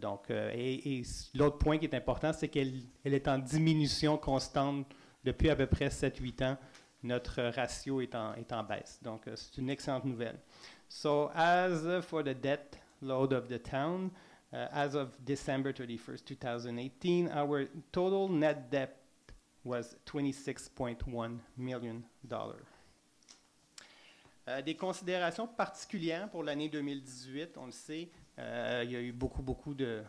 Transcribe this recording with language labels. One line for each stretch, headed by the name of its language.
French: Et l'autre point qui est important, c'est qu'elle est en diminution constante depuis à peu près 7-8 ans. Notre ratio est en baisse. Donc, c'est une excellente nouvelle.
English: So, as for the debt load of the town, as of December 31st, 2018, our total net debt was $26.1 million.
French: Des considérations particulières pour l'année 2018, on le sait, il y a eu beaucoup de...